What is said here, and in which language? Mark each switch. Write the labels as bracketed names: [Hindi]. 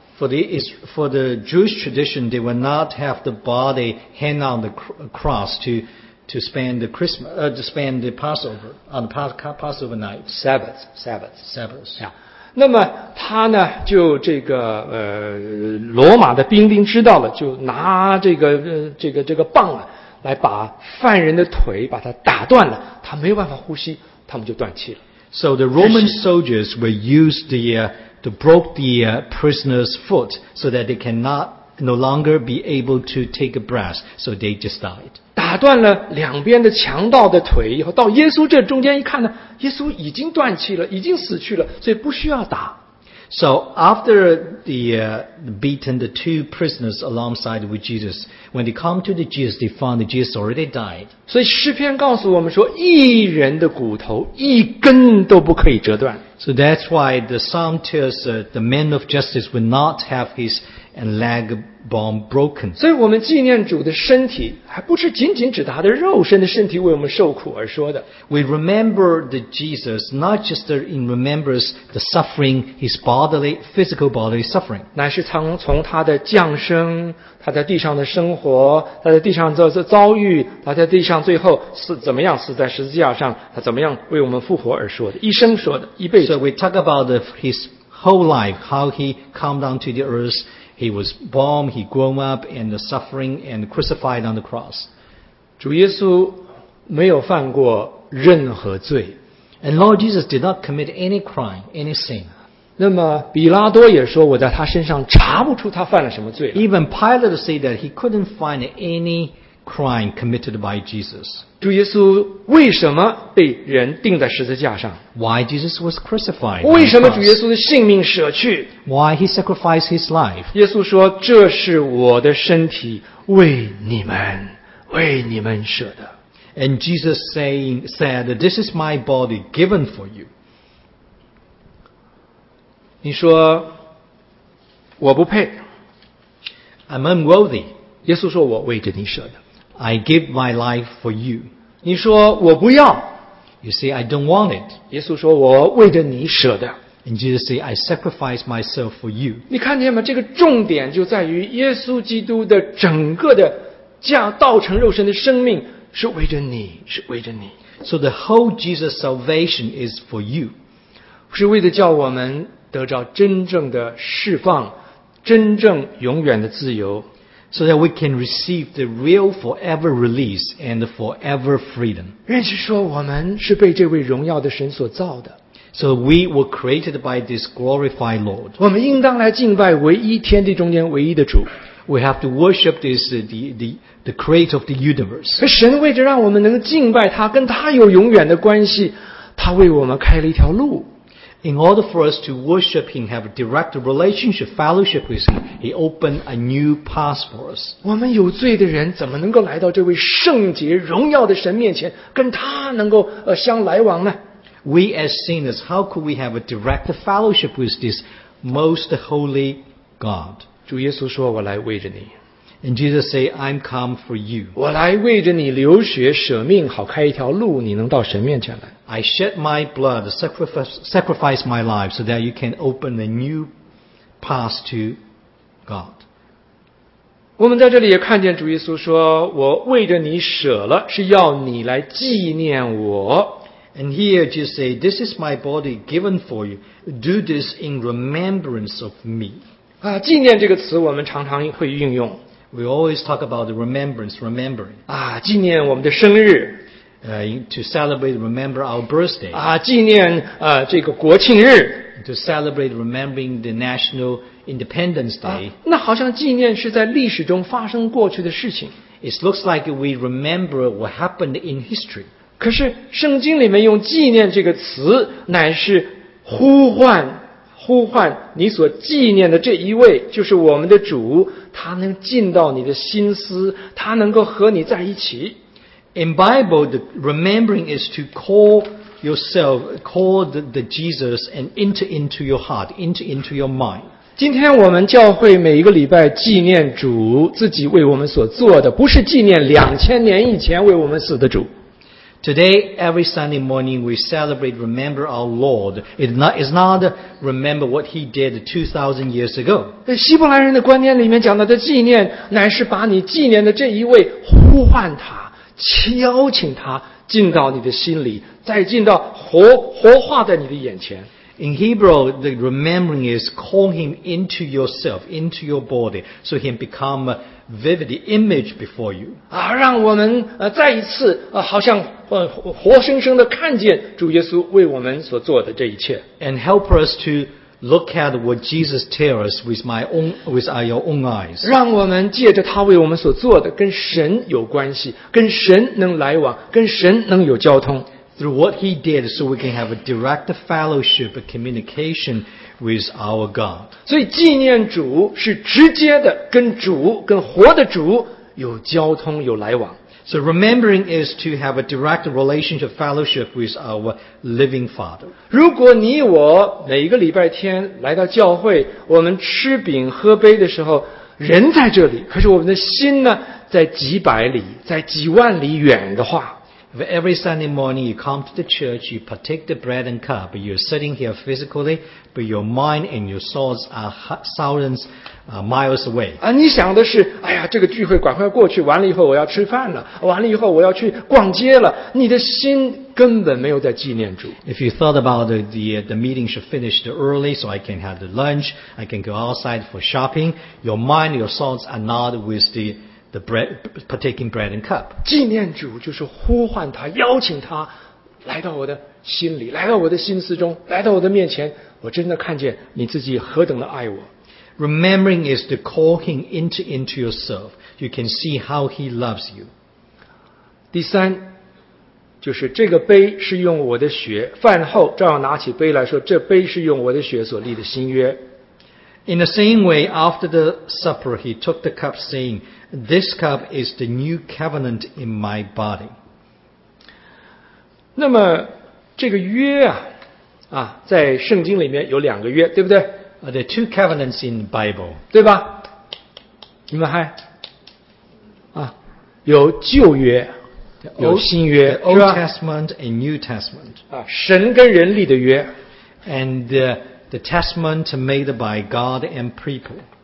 [English] For the Jewish tradition, they will not have the body hanged on the cross to spend the Christmas, to spend the Passover, on the Passover night. Sabbath. Yeah. [Chinese] 那么他呢就这个罗马的兵丁知道了，就拿这个棒啊来把犯人的腿把他打断了，他没有办法呼吸，他们就断气了。 [English] So the Roman soldiers will use to broke the prisoner's foot so that they cannot no longer be able to take a breath, so they just died. [Chinese] 打断了两边的强盗的腿以后，到耶稣这中间一看呢，耶稣已经断气了，已经死去了，所以不需要打。 [English] So after the beaten the two prisoners alongside with Jesus, when they come to the Jesus, they found that Jesus already died. [Chinese] 所以诗篇告诉我们说，一人的骨头一根都不可以折断。 [English] So that's why the psalm tells the man of justice will not have his leg bone broken. [Chinese] 所以我们纪念主的身体，还不是仅仅指他的肉身的身体为我们受苦而说的。 [English] We remember the Jesus not just in remembers the suffering, his bodily, physical bodily suffering. [Chinese] 乃是从他的降生，他在地上的生活，他在地上的遭遇，他在地上最后是怎么样死在十字架上，他怎么样为我们复活而说的，一生说的，一辈子。 [English] So we talk about his whole life, how he come down to the earth, he was born, he grew up, and the suffering, and crucified on the cross. [Chinese] 主耶稣没有犯过任何罪。 [English] And Lord Jesus did not commit any crime, any sin. [Chinese] 那么比拉多也说我在他身上查不出他犯了什么罪。 [English] Even Pilate said that he couldn't find any crime committed by Jesus. [Chinese] 主耶稣为什么被人钉在十字架上？ [English] Why Jesus was crucified? [Chinese] 为什么主耶稣的性命舍去？ [English] Why he sacrificed his life? [Chinese] 耶稣说，这是我的身体，为你们舍的。 [English] And Jesus said, this is my body given for you. [Chinese] 你说，我不配。 [English] I'm unworthy. [Chinese] 耶稣说，我为着你舍的。 [English] I give my life for you. [Chinese] 你说我不要。 [English] You say, I don't want it. [Chinese] 耶稣说我为着你舍的。 [English] And Jesus say, I sacrifice myself for you. [Chinese] 你看见吗？这个重点就在于耶稣基督的整个的道成肉身的生命是为着你，是为着你。 [English] So the whole Jesus salvation is for you. [Chinese] 是为了叫我们得着真正的释放，真正永远的自由。 [English] So that we can receive the real forever release and forever freedom. [Chinese] 愿是说我们是被这位荣耀的神所造的。 [English] So we were created by this glorified Lord. [Chinese] 我们应当来敬拜唯一天地中间唯一的主。 [English] We have to worship this, the creator of the universe. [Chinese] 神为着让我们能敬拜他，跟他有永远的关系，他为我们开了一条路。 [English] In order for us to worship Him, have a direct relationship, fellowship with Him, He opened a new path for us. [Chinese] 我们有罪的人怎么能够来到这位圣洁荣耀的神面前，跟他能够相来往呢？ [English] We as sinners, how could we have a direct fellowship with this most holy God? [Chinese] 主耶稣说，我来为着你。 [English] And Jesus say, I'm come for you. [Chinese] 我来为着你流血舍命，好开一条路，你能到神面前来。 [English] I shed my blood, sacrifice my life, so that you can open a new path to God. [Chinese] 我们在这里也看见主耶稣说，我为着你舍了，是要你来纪念我。 [English] And here Jesus say, this is my body given for you. Do this in remembrance of me. [Chinese] 啊，纪念这个词我们常常会运用。 [English] We always talk about the remembrance, remembering. [Chinese] 啊，纪念我们的生日。 [English] To celebrate, remember our birthday. [Chinese] 啊，纪念这个国庆日。 [English] To celebrate, remembering the National Independence Day. [Chinese] 那好像纪念是在历史中发生过去的事情。 [English] It looks like we remember what happened in history. [Chinese] 可是圣经里面用纪念这个词，乃是呼唤你所纪念的这一位，就是我们的主，他能进到你的心思，他能够和你在一起。 [English] In Bible, the remembering is to call yourself, call the Jesus and enter into your heart, enter into your mind. [Chinese] 今天我们教会每一个礼拜纪念主自己为我们所做的，不是纪念2000年以前为我们死的主。 [English] Today, every Sunday morning, we celebrate, remember our Lord. It's not remember what He did 2,000 years ago. [Chinese] 在希伯来人的观念里面讲到的纪念，乃是把你纪念的这一位呼唤他，邀请他进到你的心里，再进到活化在你的眼前。 [English] In Hebrew, the remembering is calling Him into yourself, into your body, so He can become a vivid image before you. [Chinese] 啊，让我们再一次好像活生生的看见主耶稣为我们所做的这一切。 [English] And help us to look at what Jesus tells us with our own eyes. [Chinese] 让我们借着他为我们所做的，跟神有关系，跟神能来往，跟神能有交通。 [English] Through what He did, so we can have a direct fellowship, a communication with our God. [Chinese] 所以纪念主是直接的跟主跟活的主有交通有来往。 [English] So remembering is to have a direct relationship fellowship with our living Father. [Chinese] 如果你我每一个礼拜天来到教会，我们吃饼喝杯的时候，人在这里，可是我们的心呢，在几百里，在几万里远的话。 [English] If every Sunday morning you come to the church, you partake the bread and cup, you're sitting here physically, but your mind and your thoughts are thousands, miles away. [Chinese] 啊，你想的是，哎呀，这个聚会赶快过去，完了以后我要吃饭了，完了以后我要去逛街了，你的心根本没有在纪念主。 [English] If you thought about the meeting should finish early so I can have the lunch, I can go outside for shopping, your mind, your thoughts are not with the bread, partaking bread and cup. [Chinese] 纪念主就是呼唤他，邀请他来到我的心里，来到我的心思中，来到我的面前，我真的看见你自己何等的爱我。 [English] Remembering is to call him into yourself. You can see how he loves you. [Chinese] 第三，就是这个杯是用我的血，饭后照样拿起杯来说，这杯是用我的血所立的新约。 [English] In the same way, after the supper, he took the cup, saying, This cup is the new covenant in my body. [Chinese] 那么这个约 在圣经里面有两个约，对不对？ [English] There are two covenants in the Bible. [Chinese] 对吧？你们还有旧约，有新约， [English] Old Testament and New Testament. [Chinese] 神跟人立的约。 [English] And the testament made by God and people.